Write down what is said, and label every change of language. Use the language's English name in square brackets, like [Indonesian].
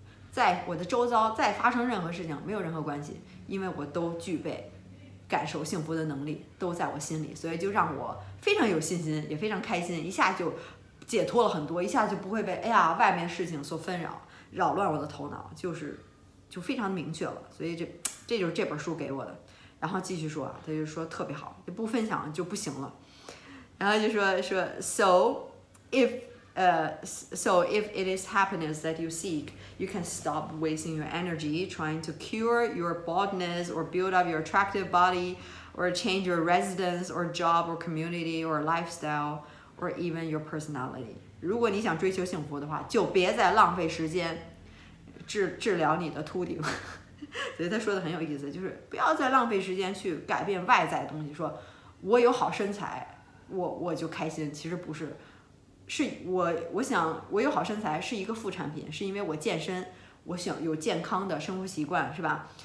[Chinese] 在我的周遭再发生任何事情没有任何关系，因为我都具备感受幸福的能力，都在我心里，所以就让我非常有信心也非常开心，一下就解脱了很多，一下就不会被哎呀外面事情所纷扰扰乱我的头脑，就非常明确了。所以这就是这本书给我的。然后继续说，他就说特别好，就不分享就不行了。然后就说 [English] So if it is happiness that you seek, you can stop wasting your energy trying to cure your baldness or build up your attractive body or change your residence or job or community or lifestyle or even your personality. [Chinese] 如果你想追求幸福的话，就别再浪费时间治疗你的秃顶。所以他说的很有意思，就是不要再浪费时间去改变外在的东西，说我有好身材我就开心，其实不是。是我想我有好身材是一个副产品，是因为我健身，我想有健康的生活习惯，是吧？